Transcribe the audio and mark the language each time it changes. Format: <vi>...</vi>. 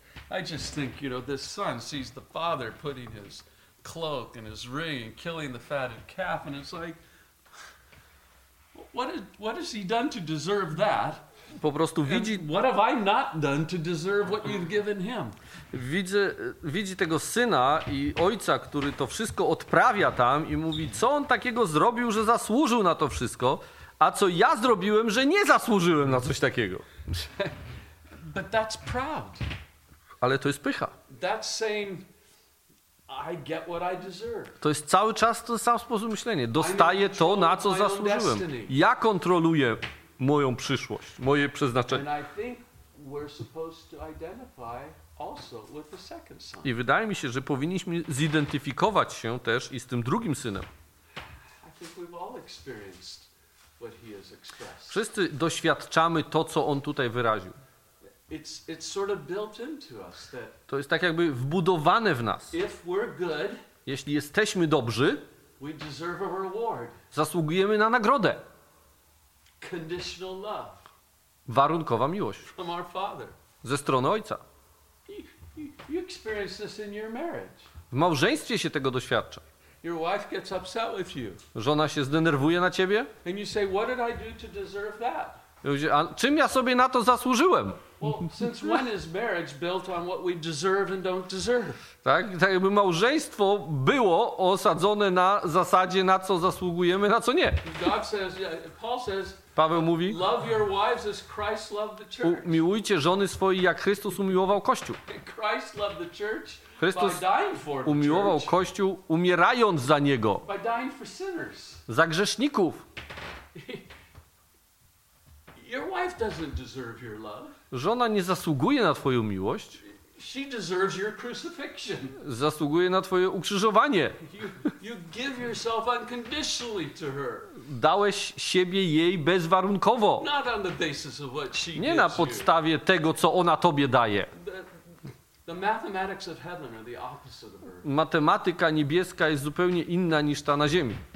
<en>I just think, you know, this son sees the father putting his cloak and his ring and killing the fatted calf, and it's like, what has he done to deserve that?</en> <pl>Po prostu widzi.</pl> <en>What have I not done to deserve what you've given him?</en> <pl>Widzi tego syna i ojca, który to wszystko odprawia tam i mówi, co on takiego zrobił, że zasłużył na to wszystko, a co ja zrobiłem, że nie zasłużyłem na coś takiego.</pl> <en>But that's proud.</en> <pl>Ale to jest pycha.</pl> <en>That's saying, I get what I deserve.</en> <pl>To jest cały czas ten sam sposób myślenia. Dostaję to, na co zasłużyłem. Ja kontroluję moją przyszłość, moje przeznaczenie.</pl> <en>And I think we're supposed to identify also with the second son.</en> <pl>I wydaje mi się, że powinniśmy zidentyfikować się też i z tym drugim synem.</pl> <en>I think we've all experienced what he has expressed.</en> <pl>Wszyscy doświadczamy to, co on tutaj wyraził.</pl> <en>It's sort of built into us that</en> <pl>to jest tak jakby wbudowane w nas.</pl> <en>If we're good,</en> <pl>jeśli jesteśmy dobrzy,</pl> <en>we deserve a reward.</en> <pl>Zasługujemy na nagrodę.</pl> <en>Conditional love.</en> <pl>Warunkowa miłość.</pl> <en>From our father.</en> <pl>Ze strony ojca.</pl> <en>You experience this in your marriage.</en> <pl>W małżeństwie się tego doświadcza.</pl> <en>Your wife gets upset with you.</en> <pl>Żona się zdenerwuje na ciebie.</pl> <en>And you say, what did I do to deserve that?</en> <pl>A czym ja sobie na to zasłużyłem?</pl> <en>Well, since when is marriage built on what we deserve and don't deserve?</en> <pl>Tak, tak jakby małżeństwo było osadzone na zasadzie, na co zasługujemy, na co nie.</pl> <en>God says, yeah, Paul says,</en> <pl>Paweł mówi,</pl> <en>love your wives as Christ loved the church.</en> <pl>Umiłujcie żony swoje, jak Chrystus umiłował Kościół.</pl> <en>Christ loved the church.</en> <pl>Chrystus</pl> <en>by dying for the</en> <pl>umiłował</pl> <en>church.</en> <pl>Kościół, umierając za niego.</pl> <en>By dying for sinners.</en> <pl>Za grzeszników.</pl> <en>Your wife doesn't deserve your love.</en> <pl>Żona nie zasługuje na twoją miłość.</pl> <en>She deserves your crucifixion.</en> <pl>Zasługuje na twoje ukrzyżowanie.</pl> <en>You give yourself unconditionally to her.</en> <pl>Dałeś siebie jej bezwarunkowo.</pl> <en>Not on the basis of what she</en> <pl>nie na podstawie</pl> <en>you.</en> <pl>Tego, co ona tobie daje.</pl> <en>The mathematics of heaven are the opposite of earth.</en> <pl>Matematyka niebieska jest zupełnie inna niż ta na ziemi.</pl>